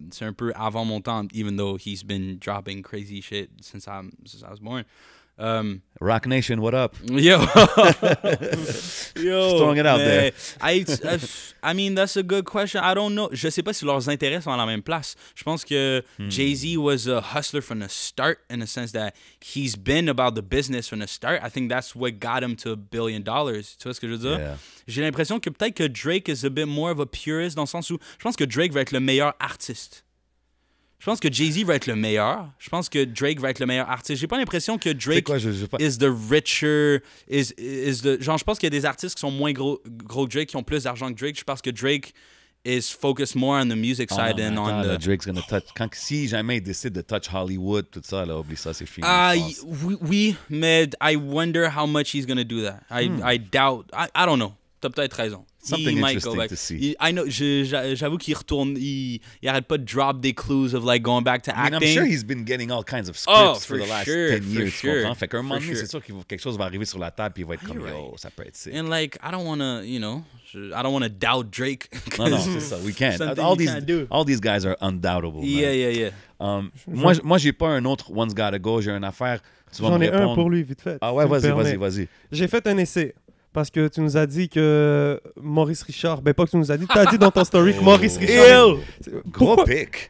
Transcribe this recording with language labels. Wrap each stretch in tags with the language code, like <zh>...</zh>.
<fr>C'est un peu avant mon temps,</fr> <en>even though he's been dropping crazy shit since I was born. Rock Nation, what up? Yo. Yo. Just throwing it out there. I mean, that's a good question. I don't know.</en> <fr>Je sais pas si leurs intérêts sont à la même place. Je pense que</fr> <en>Jay-Z was a hustler from the start, in the sense that he's been about the business from the start. I think that's what got him to $1 billion.</en> <fr>Tu vois ce que je veux dire?</fr> <en>Yeah.</en> <fr>J'ai l'impression que peut-être que Drake</fr> <en>is a bit more of a purist,</en> <fr>dans le sens où je pense que Drake va être le meilleur artiste. Je pense que Jay-Z va être le meilleur. Je pense que Drake va être le meilleur artiste. J'ai pas l'impression que Drake</fr> <en>is the richer.</en> <fr>Genre, je pense qu'il y a des artistes qui sont moins gros que Drake, qui ont plus d'argent que Drake. Je pense que Drake</fr> <en>is focused more on the</en> <fr>music side than on the.</fr> <en>Drake's gonna touch.</en> <fr>Si jamais il décide de touch Hollywood, tout ça, là, oublie ça, c'est fini. Oui, mais</fr> <en>I wonder how much he's gonna do that. I doubt. I don't know.</en> <fr>T'as peut-être raison.</fr> <en>Something interesting to see. I know.</en> <fr>J'avoue qu'il retourne. Il arrête pas de drop des clues</fr> <en>of like going back to acting. I mean, I'm sure he's been getting all kinds of scripts for the last 10 years.</en> <fr>Fait qu'un moment donné, c'est sûr qu'il quelque chose va arriver sur la table, puis il va être comme, yo, ça peut être sick.</fr> <en>And like, I don't wanna, you know, I don't wanna doubt Drake. No, no,</en> <fr>c'est ça.</fr> <en>We can't. All these guys are undoubtable. Yeah, yeah, yeah.</en> <fr>Moi, j'ai pas un autre One's Gotta Go. J'ai une affaire. J'en ai un pour lui, vite fait. Ah ouais, vas-y. J'ai fait un essai. Parce que tu nous as dit que Maurice Richard, ben pas que tu nous as dit, tu as dit dans ton story que Maurice Richard. Ew! Gros pick!</fr>